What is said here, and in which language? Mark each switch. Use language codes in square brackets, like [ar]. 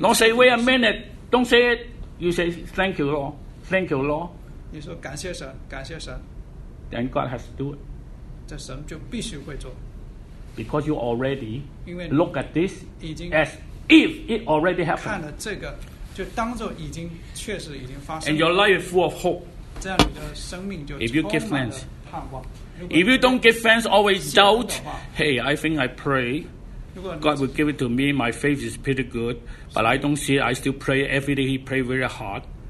[en] Don't say wait a minute. Don't say it. You say thank you, Lord. Thank you, Lord. [zh] 你说感谢神，感谢神。 [en] Then God has to do it. [zh] 这神就必须会做。 [en] Because you already [zh] 因为 [en] look at this [zh] 已经 [en] as if it already happened. [zh] 看了这个，就当做已经确实已经发生。 [en] And your life is full of hope. [zh] 这样你的生命就 [en] If you give thanks, [zh] 盼望。 [en] If you don't give thanks, always doubt. Hey, I think I pray. God will give it to me. My faith is pretty good, but I don't see it. I still pray every day. He pray very hard.